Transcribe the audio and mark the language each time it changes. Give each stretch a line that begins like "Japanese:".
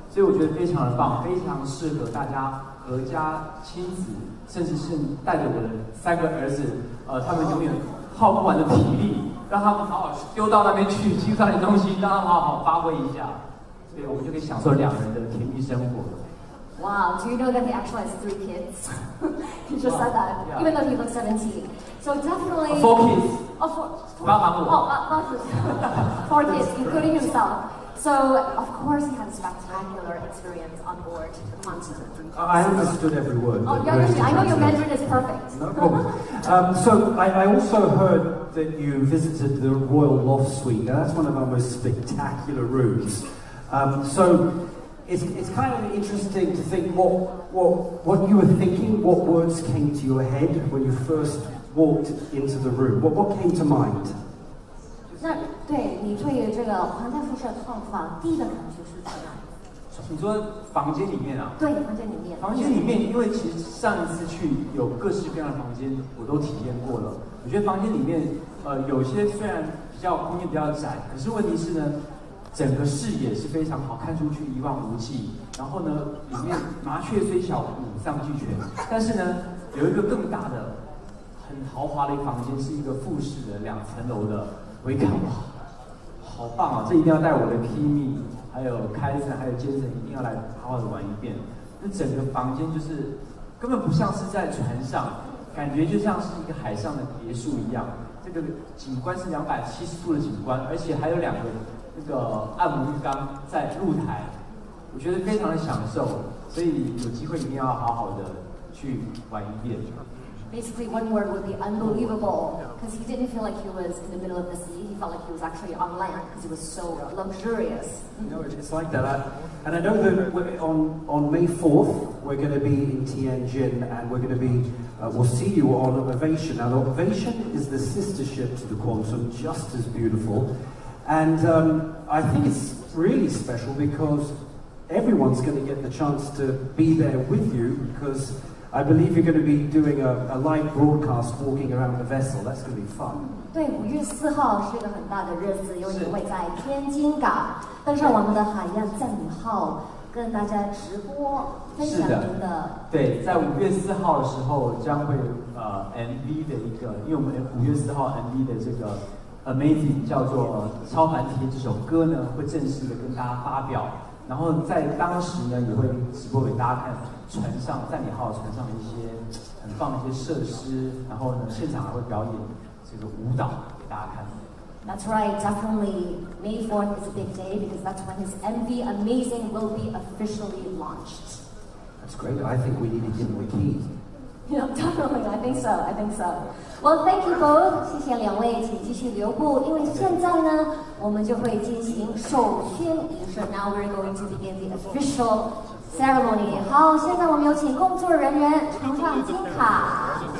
Chinese: 所以我觉得非常的棒，非常适合大家合家亲子，甚至是带着我的三个儿子，他们永远耗不完的体力。让他们好好丢到那边去，计算点东西，让他们好好发挥一下，所以我们就可以享受两人的甜蜜生活。
English: Wow, do you know that he actually has three kids? He just said that, yeah. Even though he looks 17. So definitely... Four kids. Four kids, including himself. So, of course, he had spectacular experience on board the Quantum. I understood every word. I know your Mandarin is perfect. No problem. So I also heard that you visited the Royal Loft Suite. Now, that's one of our most spectacular rooms. So it's kind of interesting to think what you were thinking, what words came to your head when you first walked into the room. What came to mind?
Chinese: 那对你对于这个皇家宿舍套房第一个感觉是什么？你说房间里面啊？对，房间里面。房间里面，因为其实上一次去有各式各样的房间，我都体验过了。我觉得房间里面，有些虽然比较空间比较窄，可是问题是呢，整个视野是非常好，看出去一望无际。然后呢，里面麻雀虽小，五脏俱全。但是呢，有一个更大的、很豪华的一个房间，是一个复式的两层楼的维卡瓦，好棒啊！这一定要带我的 Kimi。还有凯森，还有杰森，一定要来好好的玩一遍。那整个房间就是根本不像是在船上，感觉就像是一个海上的别墅一样。这个景观是270度的景观，而且还有两个那个按摩浴缸在露台，我觉得非常的享受。所以有机会一定要好好的去玩一遍。
English: Basically, one word would be unbelievable because he didn't feel like he was in the middle of the sea. He felt like he was actually on land because it was so luxurious. No, it's like that. And I know that on May 4th, we're going to be in Tianjin and we're going to be, we'll see you on Ovation. Now, Ovation is the sister ship to the Quantum, just as beautiful. And I think it's really special because everyone's going to get the chance to be there with you becauseI believe you're going to be doing a live broadcast walking around the vessel. That's going to be fun.
Chinese: 对，五月四号是一个很大的日子，因为你会在天津港登上我们的海燕赞美号，跟大家直播分享您的。对，在五月四号的时候将会MV 的一个，因为我们五月四号 MV 的这个 Amazing 叫做超凡体验这首歌呢，会正式的跟大家发表。然后在当时呢，也会直播给大家看船上赞美号船上的一些很棒的一些设施，然后呢，现场还会表演这个舞蹈给大家看。
English: That's right, definitely May 4th is a big day because that's when his MV Amazing will be officially launched. That's great. I think we need to give him a key. Yeah, definitely. I think so. Well, thank you both.
Chinese: 谢谢两位，请继续留步，因为现在呢，我们就会进行首宣仪式。
English: Now we're going to begin the official. Ceremony.
Chinese: 好，现在我们有请工作人员呈上金卡。